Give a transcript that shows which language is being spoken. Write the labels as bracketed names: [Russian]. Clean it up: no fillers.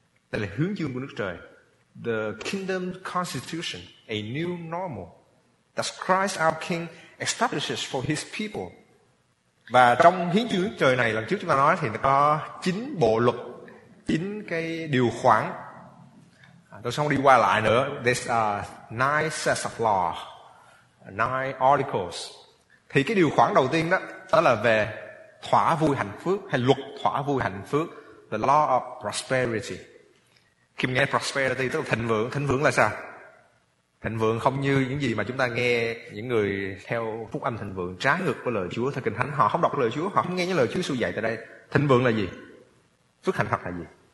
[Vietnamese] Đây là hướng chương của nước trời, [English] the kingdom constitution, a new normal that Christ our King establishes for his people. [Vietnamese] Và trong hiến chương trời này, lần trước chúng ta nói thì nó có 9 bộ luật, 9 cái điều khoản. Tôi xong đi qua lại nữa. [English] There are 9 sets of law, 9 articles. [Vietnamese] Thì cái điều khoản đầu tiên đó, đó là về thỏa vui hạnh phúc, hay luật thỏa vui hạnh phúc, [English] the law of prosperity. [Vietnamese] Khi mình nghe prosperity tức là thịnh vượng. Thịnh vượng là sao? Thịnh vượng không như những gì mà chúng ta nghe những người theo phúc âm thịnh vượng trái ngược với lời Chúa theo Kinh Thánh. Họ không đọc lời Chúa, họ không nghe những lời Chúa sư dạy tại đây. Thịnh vượng là gì? Phước hạnh phúc là gì?